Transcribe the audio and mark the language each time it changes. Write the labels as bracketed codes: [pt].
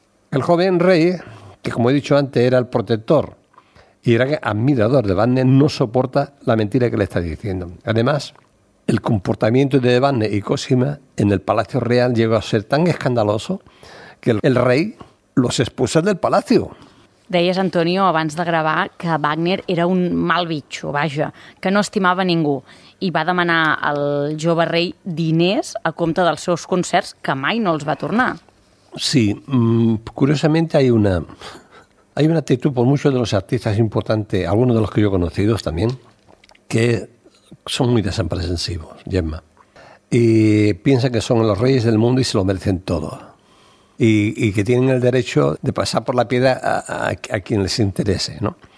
[es] El joven rey, que como he dicho antes era el protector y era admirador de Wagner, no soporta la mentira que le está diciendo. Además, El comportamiento de Evanne y Cosima en el Palacio Real llegó a ser tan escandaloso que el rey los expulsó del palacio. [ca] Deies, Antonio, abans de gravar, que Wagner era un mal bitxo, vaja, que no estimava ningú i va demanar al jove rei diners a compte dels seus concerts que mai no els va tornar. [es] Sí, curiosamente hay una actitud por muchos de los artistas importantes, algunos de los que yo he conocido también, que son muy desapresensivos, Gemma, y piensan que son los reyes del mundo y se lo merecen todo, y que tienen el derecho de pasar por la piedra a quien les interese, ¿no?